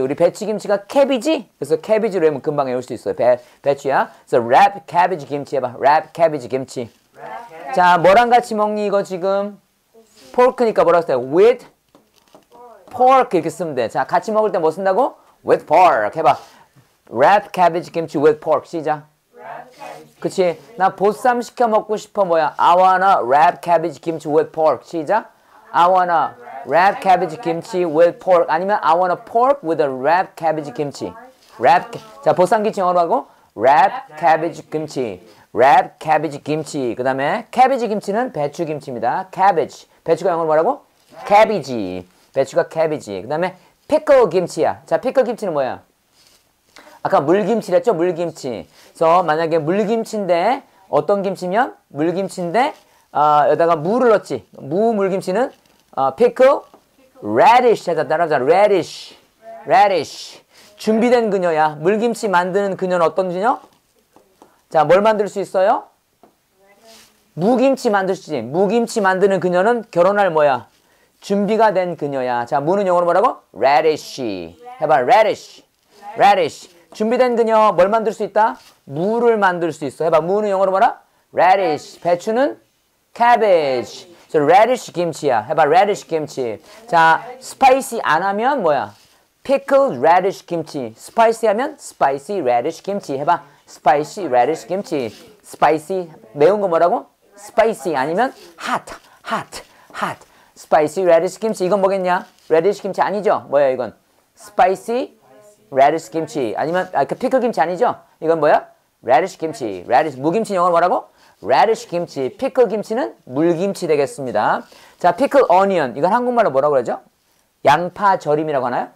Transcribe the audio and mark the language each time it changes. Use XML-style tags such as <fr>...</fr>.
<ko>우리 배추 김치가 캐비지. 그래서 캐비지로 하면 금방 외울 수 있어요. 배추야. 그래서 랩 캐비지 김치 해봐. 랩 캐비지 김치. 자, 뭐랑 같이 먹니 이거 지금? 포크니까 뭐라고 했어요?</ko> <en>With pork</en> <ko>이렇게 쓰면 돼. 자, 같이 먹을 때 뭐 쓴다고?</ko> <en>With pork 해봐. Wrap cabbage 김치 with pork 시작. 그치.</en> <ko>나 보쌈 시켜 먹고 싶어. 뭐야?</ko> <en>I wanna wrap cabbage 김치 with pork</en> <ko>시작.</ko> <en>I want a wrap cabbage kimchi with pork. 아니면 I want a pork with a wrap cabbage kimchi. Wrap.</en> <ko>자, 보쌈김치 영어로 하고</ko> <en>wrap cabbage kimchi. Wrap cabbage kimchi.</en> <ko>그 다음에 cabbage 김치는 배추 김치입니다. Cabbage. 배추가 영어로 뭐라고? Cabbage. 배추가 cabbage. 그 다음에 pickle 김치야. 자, pickle 김치는 뭐야? 아까 물김치랬죠? 물김치. 그래서 만약에 물김치인데 어떤 김치면 물김치인데 여기다가 무를 넣지. 무 물김치는</ko> <en>pickle radish</en> <ko>해서 따라하자. Radish. Radish. 준비된 그녀야. 물김치 만드는 그녀는 어떤 그녀? 자, 뭘 만들 수 있어요? 무김치 만들 수 있지. 무김치 만드는 그녀는 결혼할 뭐야? 준비가 된 그녀야. 자, 무는 영어로 뭐라고? Radish. 해봐. Radish. Radish. 준비된 그녀 뭘 만들 수 있다? 무를 만들 수 있어. 해봐. 무는 영어로 뭐라? Radish. 배추는?</ko> <en>Cabbage. So radish 김치야.</en> <ko>해봐. Radish 김치. 자, spicy 안 하면 뭐야?</ko> <en>Pickled radish 김치. Spicy 하면 spicy radish 김치.</en> <ko>해봐.</ko> <en>Spicy radish 김치.</en> <ko>Spicy 매운 거 뭐라고?</ko> <en>Spicy 아니면 hot. Hot. Hot. Spicy radish 김치.</en> <ko>이건 뭐겠냐? Radish 김치 아니죠? 뭐야 이건?</ko> <en>Spicy radish 김치.</en> <ko>아니면 그 pickled 김치 아니죠? 이건 뭐야? Radish 김치. Radish 무김치 영어로 뭐라고? Radish 김치. Pickled 김치는 물김치 되겠습니다.</ko> <en>자, pickled onion.</en> <ko>이건 한국말로 뭐라고 그러죠? 양파 절임이라고 하나요?</ko>